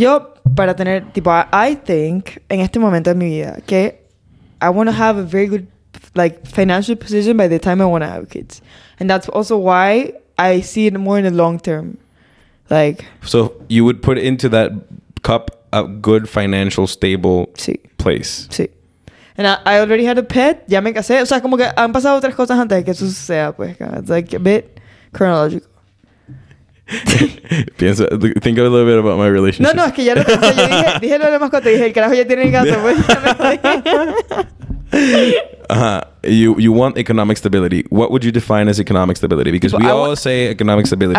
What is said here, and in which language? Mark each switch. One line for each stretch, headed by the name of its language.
Spanish: Yo, para tener, tipo,
English: I think,
Spanish: en este momento de mi vida, que
English: I want to have a very good, like, financial position by the time I want to have kids. And that's also why I see it more in the long term. Like... So, you would put into that cup a good financial, stable
Spanish: sí.
English: place. Sí. And I already had a pet.
Spanish: Ya me casé. O sea, como que han pasado otras cosas antes de que eso suceda, pues.
English: It's like a bit chronological.
Spanish: Pienso,
English: think a little bit about my relationship.
Spanish: No, es que ya lo pensé. Dije lo de la mascota. Dije, el carajo ya tiene el gato. Pues,
English: you want economic stability. What would you define as economic stability? Because we all say economic stability.